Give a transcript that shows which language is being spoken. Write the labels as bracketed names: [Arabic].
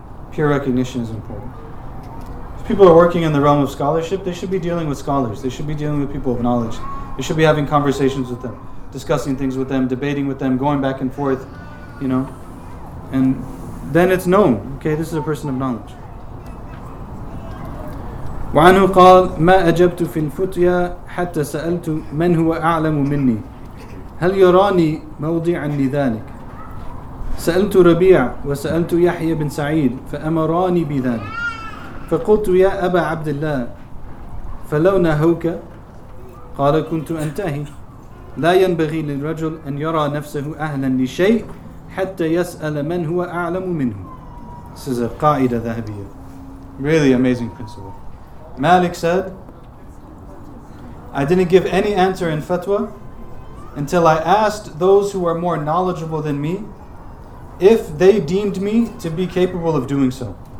[English] Peer recognition is important. If people are working in the realm of scholarship, they should be dealing with scholars. They should be dealing with people of knowledge. They should be having conversations with them, discussing things with them, debating with them, going back and forth, you know. And then it's known, okay, this is a person of knowledge. [Arabic] وَعَنْهُ قَالْ مَا أَجَبْتُ فِي الْفُتْيَا حَتَّى سَأَلْتُ مَنْ هُوَ أَعْلَمُ مِنِّي هَلْ يَرَانِي مَوْضِعًا لِذَلِكَ سألت ربيع وسألت يحيى بن سعيد فأمراني بذلك فقلت يا أبا عبد الله فلو نهوك قال كنت أنتهي لا ينبغي للرجل أن يرى نفسه أهلا لشيء حتى يسأل من هو أعلم منه. [English] This is a [Arabic] قاعدة ذهبية. [English] Really amazing principle. Malik said, I didn't give any answer in fatwa until I asked those who are more knowledgeable than me if they deemed me to be capable of doing so.